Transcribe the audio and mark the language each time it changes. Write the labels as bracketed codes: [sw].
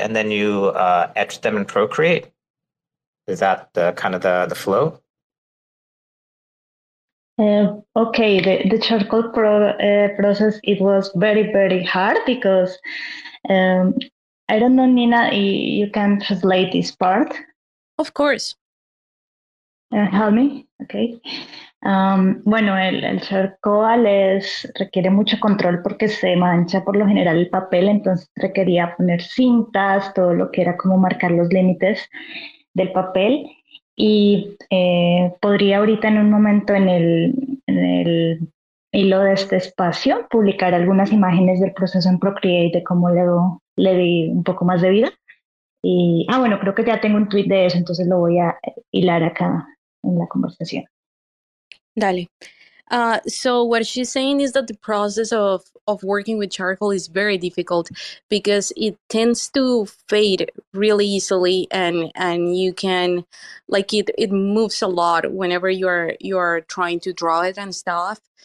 [en] And then you etched them in Procreate? Is that kind of the flow? Okay, the charcoal process, it was very, very hard because I don't know, Nina, you can translate this part? Of course. Help me? Okay. [es] Bueno, el charcoal requiere mucho control porque se mancha por lo general el papel, entonces requería poner cintas, todo lo que era como marcar los límites del papel. Y podría ahorita en un momento en el hilo de este espacio publicar algunas imágenes del proceso en Procreate, de cómo le di un poco más de vida. Y, bueno, creo que ya tengo un tweet de eso, entonces lo voy a hilar acá en la conversación. Dale. [en] So what she's saying is that the process of working with charcoal is very difficult because it tends to fade really easily, and you can, like, it moves a lot whenever you're trying to draw it and stuff.